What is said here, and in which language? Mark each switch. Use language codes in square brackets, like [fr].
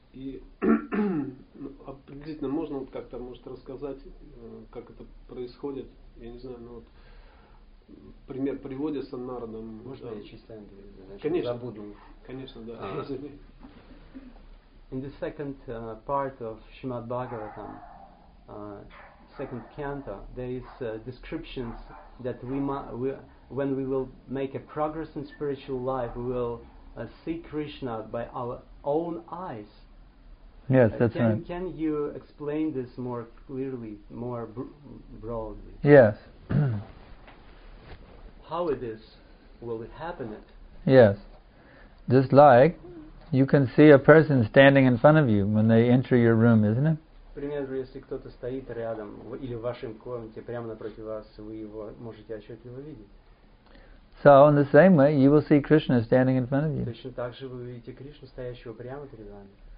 [ru] И приблизительно можно вот как-то, может, рассказать, как это происходит, я не знаю, ну вот. Пример приводится Нарадом. Можно я чисто английский? Забуду. Конечно, да. [en] In the second part of Srimad Bhagavatam, second canto, there is descriptions that when we will make a progress in spiritual life, we will see Krishna by our own eyes. Yes, that's right. Can you explain this more clearly, more broadly? Yes. How it is? Will it happen? It? Yes. Just like you can see a person standing in front of you when they enter your room, isn't it? [ru] Примеру, если кто-то стоит рядом или в вашем комнате прямо напротив вас, вы его можете отчетливо видеть. [en] So in the same way, you will see Krishna standing in front of you. [ru] Точно так же вы увидите Кришну стоящего прямо перед вами.